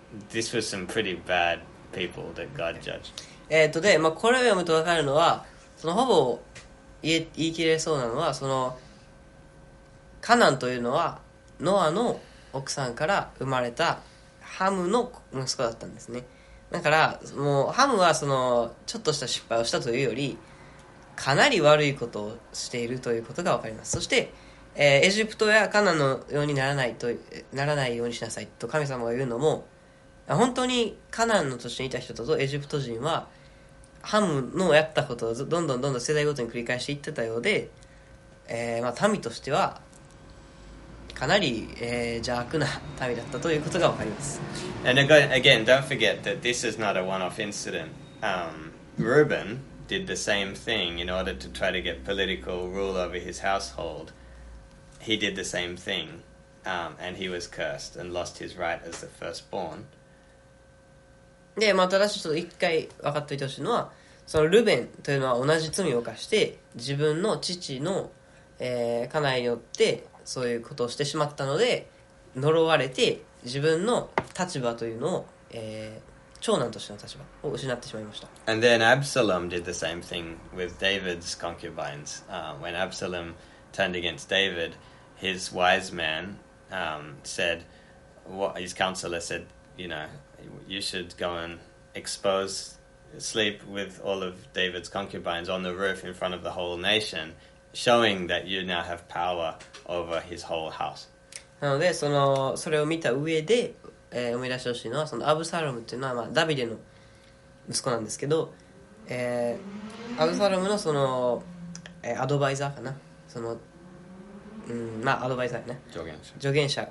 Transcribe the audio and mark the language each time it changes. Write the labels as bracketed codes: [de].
[en] This was some pretty bad people that God judged. [ja] で、まあ、これを読むと分かるのは、そのほぼ言い切れそうなのは、そのカナンというのはノアの奥さんから生まれたハムの息子だったんですね。だからもうハムはそのちょっとした失敗をしたというより、かなり悪いことをしているということがわかります。そして、エジプトやカナンのようにならないとならないようにしなさいと神様が言うのも、本当にカナンの土地にいた人とエジプト人はハムのやったことをどんどんどんどん世代ごとに繰り返していってたようで、まあ民としてはかなり、邪悪な民だったということがわかります。 [en] And again, don't forget that this is not a one-off incident. Reuben did the same thing in order to try to get political rule over his household. He did the same thing, and he was cursed and lost his right as the firstborn. [ja] で、まあ、ただちょっと一回分かっておいてほしいのは、そのルベンというのは同じ罪を犯して自分の父の、家内によってそういうことをしてしまったので呪われて自分の立場というのを、長男としての立場を失ってしまいました。 [en] And then Absalom did the same thing with David's concubines. When Absalom turned against David, his wise man said, his counselor said, you know, you should go and expose, sleep with all of David's concubines on the roof in front of the whole nation, showing that you now have power over his whole house. [ja] なので、その、それを見た上で、思い出してほしいのは、そのアブサロムっていうのは、まあ、ダビデの息子なんですけど、アブサロムのその、アドバイザーかな、その、まあアドバイザーね、助言者